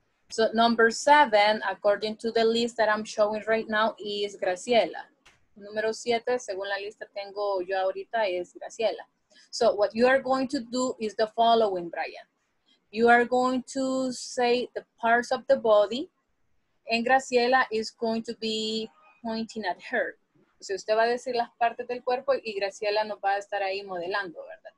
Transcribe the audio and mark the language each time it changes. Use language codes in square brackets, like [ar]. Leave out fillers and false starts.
[en] So number seven, according to the list that I'm showing right now, is Graciela. [es] Número siete, según la lista tengo yo ahorita, es Graciela. [en] So what you are going to do is the following, Brian. You are going to say the parts of the body, and Graciela is going to be pointing at her. [es] So usted va a decir las partes del cuerpo y Graciela nos va a estar ahí modelando, ¿verdad?